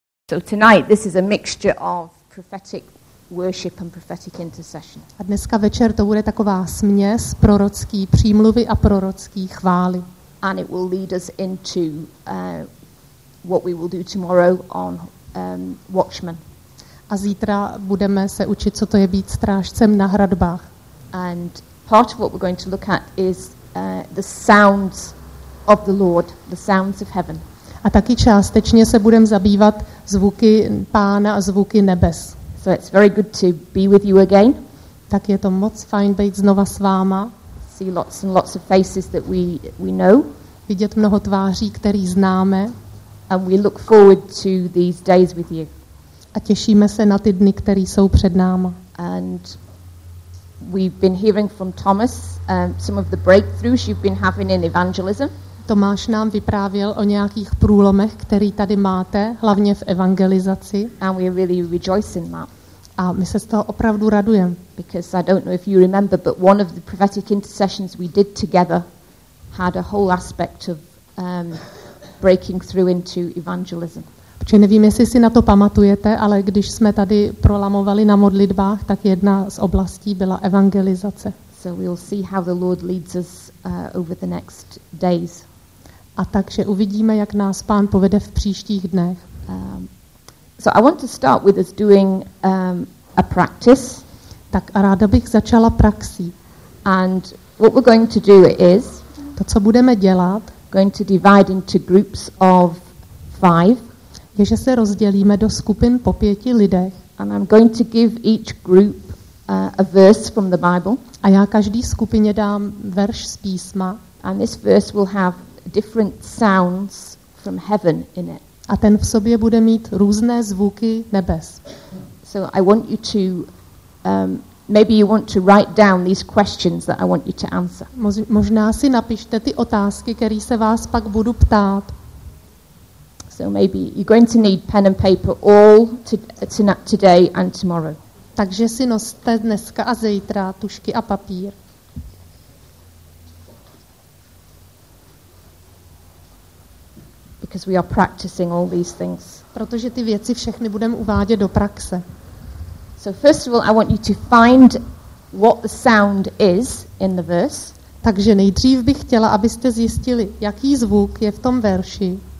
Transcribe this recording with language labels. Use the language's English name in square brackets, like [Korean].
[English] So tonight, this is a mixture of prophetic worship and prophetic intercession. [Czech] A dneska večer to bude taková směs prorocký přímluvy a prorocký chvály. [English] And it will lead us into what we will do tomorrow on watchmen. [Czech] A zítra budeme se učit, co to je být strážcem na hradbách. [English] And part of what we're going to look at is the sounds of the Lord, the sounds of heaven. [Czech] A taky částečně se budeme zabývat zvuky Pána a zvuky nebes. [English] So it's very good to be with you again. [Czech] Tak je to moc fajn být znova s váma. [English] See lots and lots of faces that we know. [Czech] Vidět mnoho tváří, které známe. [English] And we look forward to these days with you. [Czech] A těšíme se na ty dny, které jsou před náma. [English] And we've been hearing from Thomas some of the breakthroughs you've been having in evangelism. [Czech] Tomáš nám vyprávěl o nějakých průlomech, který tady máte, hlavně v evangelizaci. [English] And we really rejoice in that. [Czech] A my se z toho opravdu radujeme. [English] Because I don't know if you remember, but one of the prophetic intercessions we did together had a whole aspect of breaking through into evangelism. [Czech] Protože nevím, jestli si na to pamatujete, ale když jsme tady prolamovali na modlitbách, tak jedna z oblastí byla evangelizace. [English] So we'll see how the Lord leads us over the next days. [Czech] A takže uvidíme, jak nás Pán povede v příštích dnech. [English] So I want to start with us doing a practice. [Czech] Tak a ráda bych začala praxí. [English] And what we're going to do is, [Czech] to co budeme dělat, [English] going to divide into groups of five, [Czech] je, že se rozdělíme do skupin po pěti lidech. [English] And I'm going to give each group a verse from the Bible. [Czech] A já každý skupině dám verš z písma. [English] And this verse will have different sounds from heaven in it. [Czech] A ten v sobě bude mít různé zvuky nebes. [English] So I want you to maybe you want to write down these questions that I want you to answer. [Czech] Možná si napište ty otázky, které se vás pak budu ptát. [English] So maybe you're going to need pen and paper all today and tomorrow. [Czech] Takže si noste dneska a zítra tušky a papír. [English] Because we are practicing all these things. [Czech] Protože ty věci všechny budeme uvádět do praxe. [English] So first of all, I want you to find what the sound is in the verse. [Czech] Takže nejdřív bych chtěla, abyste zjistili, jaký zvuk je v tom verši.